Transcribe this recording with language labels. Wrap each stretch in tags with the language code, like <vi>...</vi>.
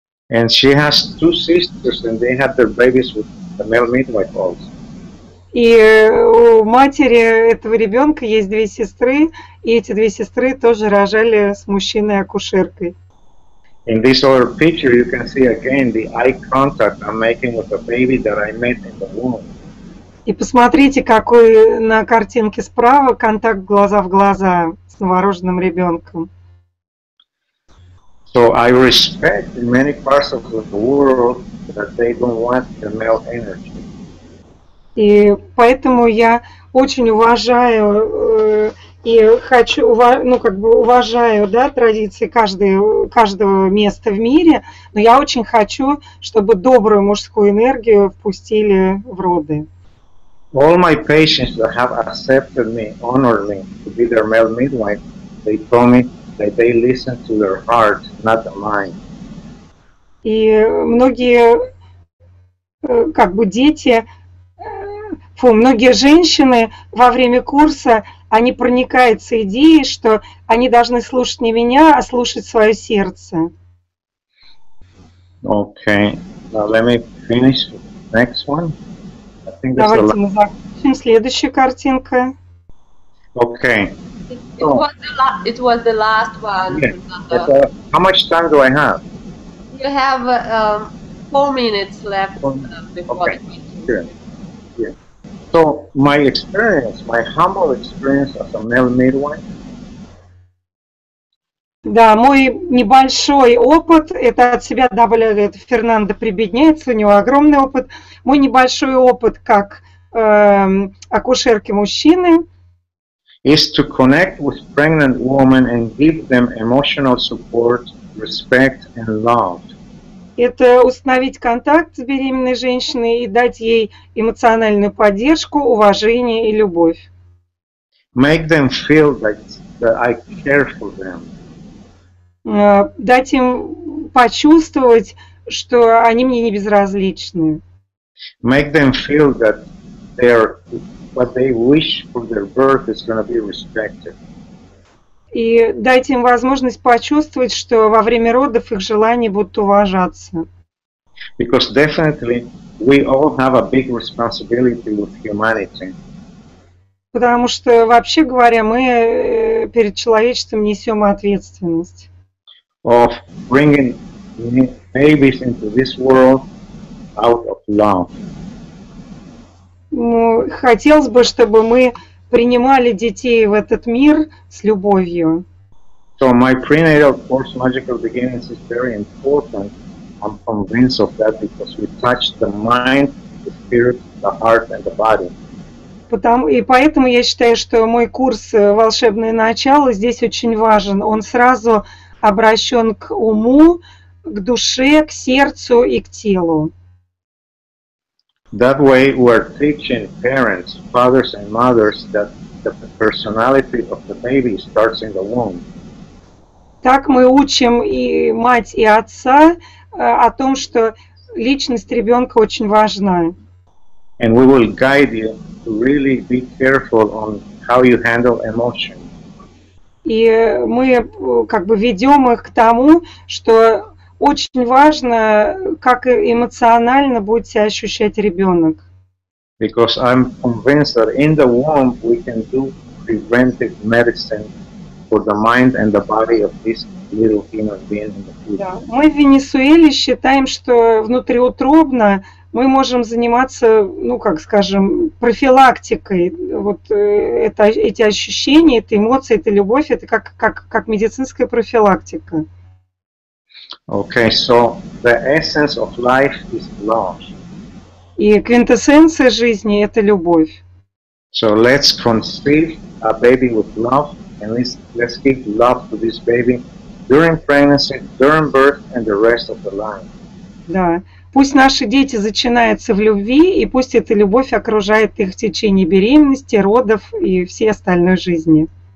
<en>And she has two sisters, and they had their babies with the male midwife also.</en> <ru>И у матери этого ребенка есть две сестры, и эти две сестры тоже рожали с мужчиной-акушеркой.</ru> <en>In this other picture, you can see again the eye contact I'm making with the baby that I met in the womb.</en> <ru>И посмотрите, какой на картинке справа контакт глаза в глаза с новорожденным ребенком.</ru> <en>So I respect in many parts of the world that they don't want the male energy.</en> <ru>И поэтому я очень уважаю. И хочу, ну, как бы уважаю, да, традиции каждого места в мире, но я очень хочу, чтобы добрую мужскую энергию впустили в роды.</ru> <en>All my patients that have accepted me, honored me to be their male midwife, they told me that they listen to their heart, not the mind.</en> <ru>И многие, как бы дети, многие женщины во время курса они проникаются идеей, что они должны слушать не меня, а слушать свое сердце.</ru> <en>Okay, now let me finish next one.</en> <ru>Давайте мы закончим. Следующая картинка.</ru> <en>Okay. It was the last one. Yeah. How much time do I have? You have 4 minutes left before the meeting. Okay. Yeah. So my experience, my humble experience as a male midwife.</en> <ru>Да, мой небольшой опыт, это от себя добавляет Фернандо, прибедняется, у него огромный опыт. Мой небольшой опыт как акушерки мужчины.</ru> <en>Is to connect with pregnant women and give them emotional support, respect and love.</en> <ru>Это установить контакт с беременной женщиной и дать ей эмоциональную поддержку, уважение и любовь.</ru> <en>Make them feel that I care for them.</en> <ru>Дать им почувствовать, что они мне не безразличны.</ru> <en>Make them feel that their what they wish for their birth is going to be respected.</en> <ru>И дать им возможность почувствовать, что во время родов их желания будут уважаться.</ru> <en>Because definitely we all have a big responsibility with humanity.</en> <ru>Потому что, вообще говоря, мы перед человечеством несем ответственность.</ru> <en>Of bringing babies into this world out of love.</en> <ru>Ну, хотелось бы, чтобы мы принимали детей в этот мир с любовью.</ru> <en>So my prenatal course Magical Beginnings is very important. I'm convinced of that because we touch the mind, the spirit, the heart and the body.</en> <ru>И поэтому я считаю, что мой курс «Волшебное начало» здесь очень важен. Он сразу обращен к уму, к душе, к сердцу и к телу.</ru> <en>That way we're teaching parents, fathers and mothers that the personality of the baby starts in the womb.</en> <ru>Так мы учим и мать, и отца о том, что личность ребенка очень важна.</ru> <en>And we will guide you to really be careful on how you handle emotions.</en> <ru>И мы как бы ведем их к тому, что очень важно, как эмоционально будет себя ощущать ребенок.</ru> <en>Because I'm convinced that in the womb we can do preventive medicine for the mind and the body of this little human being in the future.</en> <ru>Да. Мы в Венесуэле считаем, что внутриутробно мы можем заниматься, ну, как скажем, профилактикой. Вот это, эти ощущения, это эмоции, это любовь, это как медицинская профилактика.</ru> <en>Okay, so the essence of life is love.</en> <ru>И квинтэссенция жизни – это любовь.</ru> <en>So let's conceive a baby with love, and let's give love to this baby during pregnancy, during birth, and the rest of the life.</en> <ru>Да. Пусть наши дети зачинаются в любви, и пусть эта любовь окружает их в течение беременности, родов и всей остальной жизни.</ru>